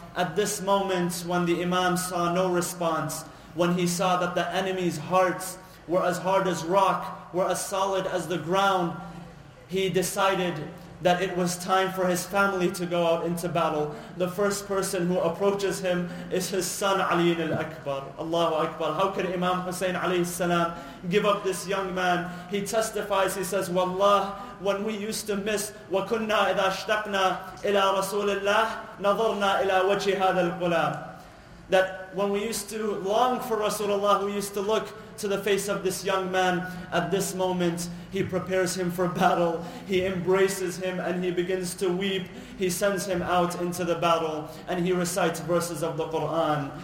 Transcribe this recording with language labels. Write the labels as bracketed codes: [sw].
[en] At this moment, when the Imam saw no response, when he saw that the enemy's hearts were as hard as rock, were as solid as the ground, he decided that it was time for his family to go out into battle. The first person who approaches him is his son Ali ibn al-Akbar. Allahu Akbar. How could Imam Hussein alayhi salam give up this young man? He testifies, he says, Wallah, when we used to miss, [ar] وَكُنَّا إِذَا اشْتَقْنَا إِلَىٰ رَسُولِ اللَّهِ نَظَرْنَا إِلَىٰ وَجْهِ هَذَا الْقُلَامِ. [en] That when we used to long for Rasulullah, we used to look to the face of this young man. At this moment, he prepares him for battle. He embraces him and he begins to weep. He sends him out into the battle and he recites verses of the Quran.